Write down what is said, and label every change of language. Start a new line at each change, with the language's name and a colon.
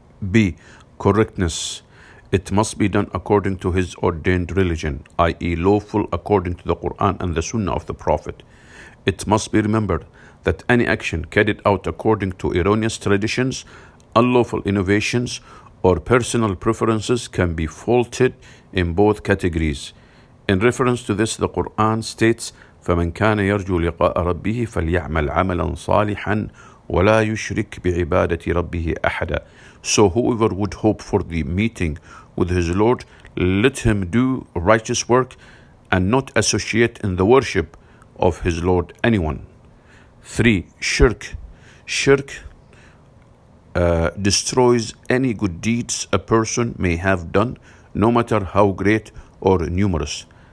English: B. Correctness. It must be done according to his ordained religion, i.e. lawful according to the Quran and the Sunnah of the Prophet. It must be remembered that any action carried out according to erroneous traditions, unlawful innovations, or personal preferences can be faulted in both categories. In reference to this, the Quran states,
Arabic: فَمَنْ كَانَ يَرْجُوا لِقَاءَ رَبِّهِ فَلْيَعْمَلْ عَمَلًا صَالِحًا وَلَا يُشْرِكْ بِعِبَادَةِ رَبِّهِ أَحَدًا.
English: So whoever would hope for the meeting with his Lord, let him do righteous work and not associate in the worship of his Lord anyone. 3. Shirk. Shirk destroys any good deeds a person may have done, no matter how great or numerous.